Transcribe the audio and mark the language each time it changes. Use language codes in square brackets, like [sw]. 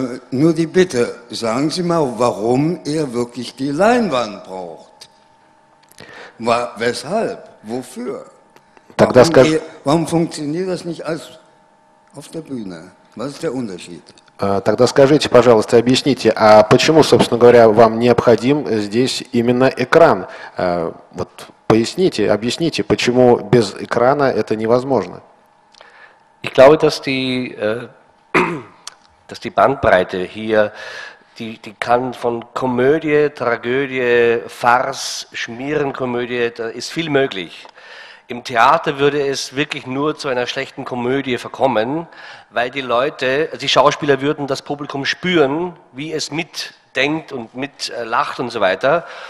[de] Nur die Bitte, sagen Sie mal, warum er wirklich die Leinwand braucht. Weshalb? Wofür? Warum funktioniert das nicht als auf der Bühne? Was ist der Unterschied? [ru] Тогда скажите, пожалуйста, объясните, а почему, собственно говоря, вам необходим здесь именно экран? Вот поясните, объясните, почему без экрана это невозможно? [de] Ich glaube, dass die Bandbreite hier, die kann von Komödie, Tragödie, Farce, Schmierenkomödie, da ist viel möglich. Im Theater würde es wirklich nur zu einer schlechten Komödie verkommen, weil die Leute, die Schauspieler würden das Publikum spüren, wie es mitdenkt und mitlacht und so weiter.